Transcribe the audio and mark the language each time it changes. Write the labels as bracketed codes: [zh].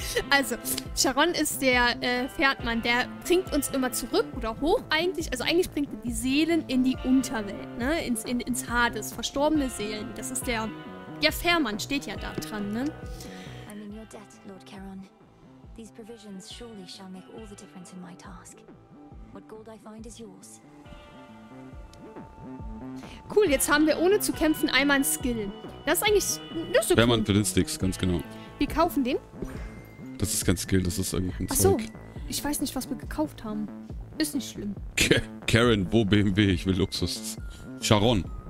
[de] Also, Charon ist der Pferdmann, der bringt uns immer zurück oder hoch eigentlich. Also eigentlich bringt er die Seelen in die Unterwelt, ne? Ins Hades, verstorbene Seelen. Das ist der Fährmann, steht ja da dran, ne? [en] I'm in your debt, Lord Charon. These provisions surely shall make all the difference in my task. What gold I find is yours. [de] Cool, jetzt haben wir ohne zu kämpfen einmal einen Skill. Das ist eigentlich nur so. Fährmann für den Sticks, ganz genau. Wir kaufen den. Das ist kein Skill, das ist irgendein Zeug. Achso, ich weiß nicht, was wir gekauft haben. Ist nicht schlimm. Karen, wo BMW? Ich will Luxus. Charon.